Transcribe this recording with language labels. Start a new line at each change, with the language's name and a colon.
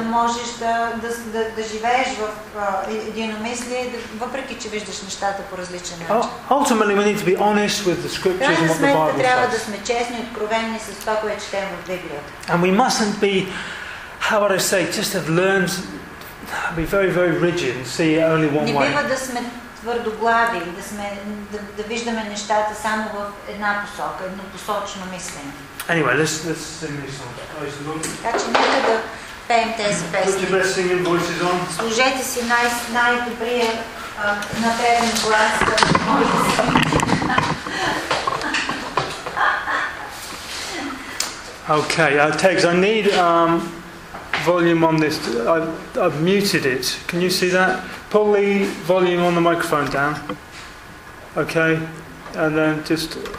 Bulgarian: Да можеш да живееш в единомислие, въпреки че виждаш нещата по различен начин.
English: Ultimately, we need to be honest with the scriptures and what the Bible says.
Bulgarian: Трябва да сме честни и откровени с това, което четем в Библията.
English: And we mustn't be, how would I say, just have learned, be very, very rigid and see only one way.
Bulgarian: Твърдоглави, да виждаме нещата само в една посока, еднопосочно мислене.
English: Anyway, let's sing these songs.
Bulgarian: Така че нека да пеем тези песни. Служете си най-добрия напреден глас, който може да сме.
English: Okay, Tegs, I need volume on this. I've muted it. Can you see that? Pull the volume on the microphone down. Okay. And then just...